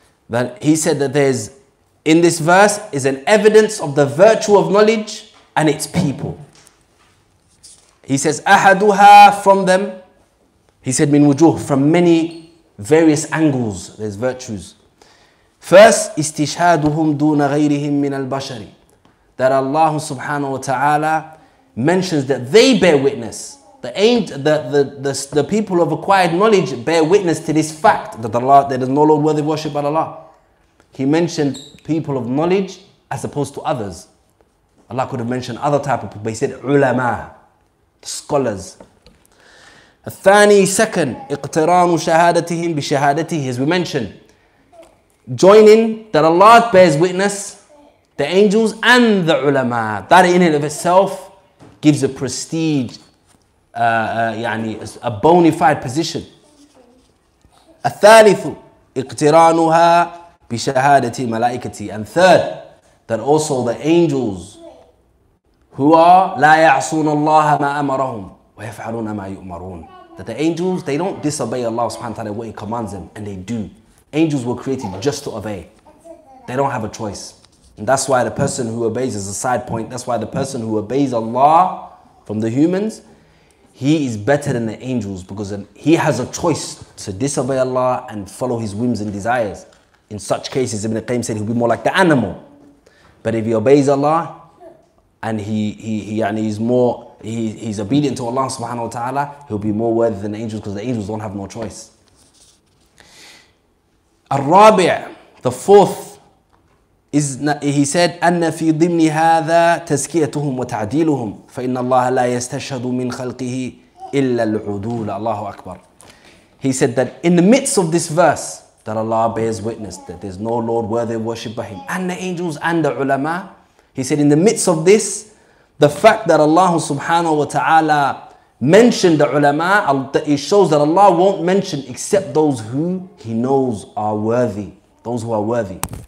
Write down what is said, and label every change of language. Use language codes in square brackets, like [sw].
[en] That he said that there's, in this verse, is an evidence of the virtue of knowledge and its people. He says, أحدها, from them, he said, [ar] من وجوه, [en] from many various angles, there's virtues. [ar] First, استشهادهم دون غيرهم من البشر. [en] That Allah subhanahu wa ta'ala mentions that they bear witness. The people of acquired knowledge bear witness to this fact that Allah, there is no Lord worthy of worship but Allah. He mentioned people of knowledge as opposed to others. Allah could have mentioned other type of people, but He said ulama, scholars. [ar] الثاني, [en] second, [ar] اقتران شهادتهم بشهادته, [en] as we mentioned, joining that Allah bears witness, the angels and the ulama, that in and of itself gives a prestige, a bona fide position. [ar] الثالث, اقترانها بشهادة ملائكتي, [en] and third, that also the angels who are [ar] لا يعصون الله ما أمرهم ويفعلون ما يؤمرون. [en] That the angels, they don't disobey Allah subhanahu wa ta'ala what He commands them, and they do. Angels were created just to obey. They don't have a choice. And that's why the person who obeys, is a side point, that's why the person who obeys Allah from the humans, he is better than the angels, because he has a choice to disobey Allah and follow his whims and desires. In such cases, Ibn Qayyim said he'll be more like the animal. But if he obeys Allah, and he's obedient to Allah subhanahu wa ta'ala, he'll be more worthy than the angels, because the angels don't have no choice. [ar] Al-Rabi', [en] the fourth, is he said, [ar] أَنَّ فِي ضِمْنِ هَذَا تَزْكِيَتُهُمْ وَتَعْدِيلُهُمْ فَإِنَّ اللَّهَ لَا يَسْتَشْهَدُ مِنْ خَلْقِهِ إِلَّا الْعُدُولَ. Allahu Akbar. [en] He said that in the midst of this verse, that Allah bears witness that there's no Lord worthy of worship by Him, and the angels and the ulama, he said in the midst of this, the fact that Allah subhanahu wa ta'ala mentioned the ulama, it shows that Allah won't mention except those who He knows are worthy. Those who are worthy.